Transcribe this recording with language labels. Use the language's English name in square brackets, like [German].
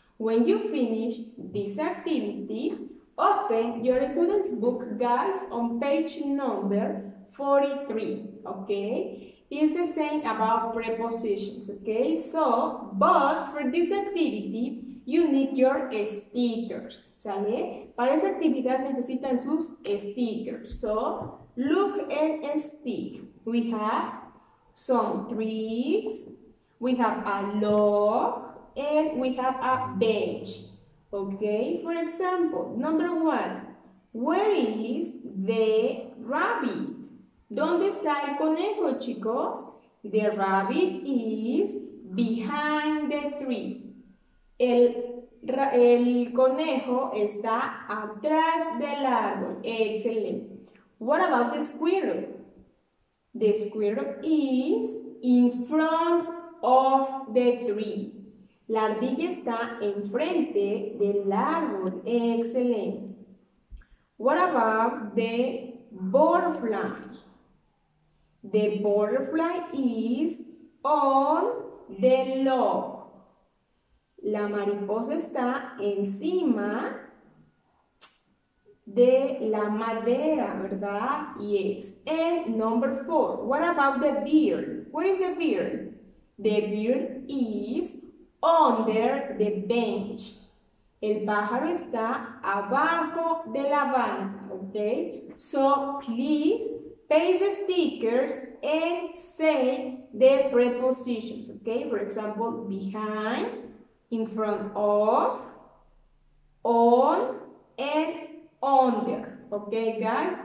[English] When you finish this activity, open your student's book, guys, on page number 43. Okay? It's the same about prepositions, okay? So, but for this activity, you need your stickers, ¿sale? [Spanish] Para esa actividad necesitan sus stickers. [English] So, look at a stick. We have some trees, we have a log, and we have a bench, okay? For example, number one, where is the rabbit? [Spanish] ¿Dónde está el conejo, chicos? [English] The rabbit is behind the tree. [Spanish] El conejo está atrás del árbol. [English] Excellent. What about the squirrel? The squirrel is in front of the tree. [Spanish] La ardilla está enfrente del árbol. [English] Excellent. What about the butterfly? The butterfly is on the log. La mariposa está encima de la madera, ¿verdad? Yes. And number four, what about the bird? Where is the bird? bird is under the bench. [Spanish] El pájaro está abajo de la banca, okay? [English] So please paste the stickers and say the prepositions, okay? For example, behind, in front of, on, and under, okay, guys?